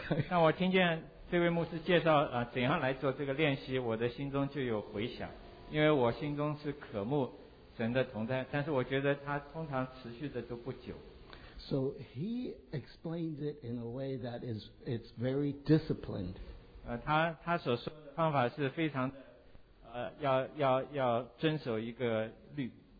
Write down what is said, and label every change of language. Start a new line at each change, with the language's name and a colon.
Chinese: 那我听见这位牧师介绍怎样来做这个练习，我的心中就有回响，因为我心中是渴慕神的同在，但是我觉得他通常持续的都不久。
English: So he explains it in a way that is it's very disciplined.
Chinese: 他所说的方法是非常要遵守一个律。